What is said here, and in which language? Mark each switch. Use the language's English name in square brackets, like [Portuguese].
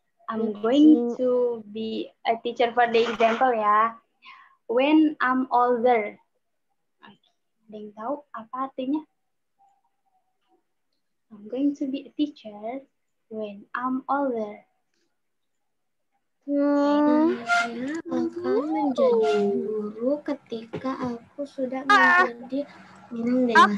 [English] I'm going to be a teacher for the example ya. When I'm older. [Indonesian] Ada yang tahu apa artinya? [English] I'm going to be a teacher when I'm older. [Indonesian] Aku menjadi guru ketika aku sudah menjadi minum dewasa.